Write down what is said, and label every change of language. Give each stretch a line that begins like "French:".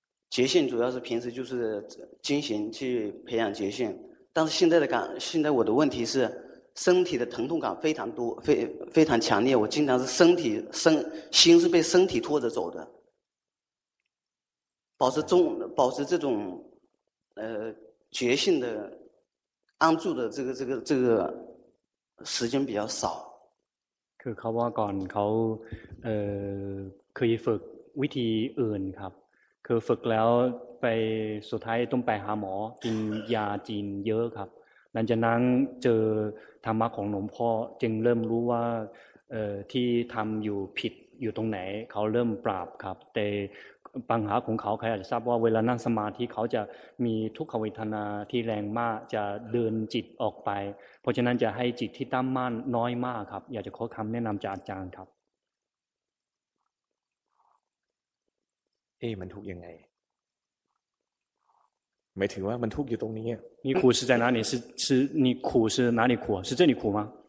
Chinese: 觉性主要是平时就是精行去培养觉性但是现在我的问题是身体的疼痛感非常多非常强烈我经常是心是被身体拖着走的保持这种觉性的安住的这个时间比较少
Thai: คือเขาว่าก่อนเขาเคยฝึกวิธีอื่นครับคือฝึกแล้วไปสุดท้ายต้องไปหาหมอกินยาจีนเยอะครับหลังจากนั้นเจอธรรมะของหลวงพ่อจึงเริ่มรู้ว่า ที่ทำอยู่ผิดอยู่ตรงไหนเขาเริ่มปราบครับแต่ปัญหาของเขาใครอาจจะทราบว่าเวลานั่งสมาธิเขาจะมีทุกขเวทนาที่แรงมากจะเดินจิตออกไปเพราะฉะนั้นจะให้จิตที่ตั้งมั่นน้อยมากครับอยากจะขอคำแนะนำจากอาจารย์ครับ เอ๊ะมันทุกยังไงไม่ถือว่ามันทุกอยู่ตรงนี้
Chinese: 你苦是在哪里是你苦是哪里苦是这里苦吗